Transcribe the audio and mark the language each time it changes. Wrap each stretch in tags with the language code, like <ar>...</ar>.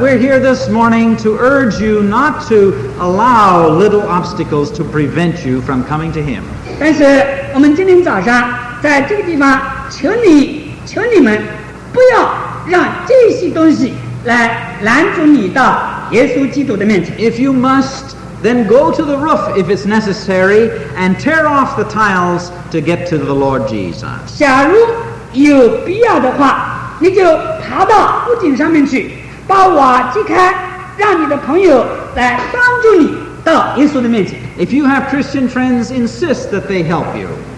<en>we're here this morning to urge you not to allow little obstacles to prevent you from coming to him.</en> <zh>但是我们今天早上在这个地方，求你们不要让这些东西来拦阻你到耶稣基督的面前。</zh> <en>If you must, then go to the roof if it's necessary and tear off the tiles to get to the Lord Jesus.</en> <zh>假如有必要的话，你就爬到屋顶上面去，把瓦击开，让你的朋友来帮助你到耶稣的面前。</zh> <en>If you have Christian friends, insist that they help you.</en>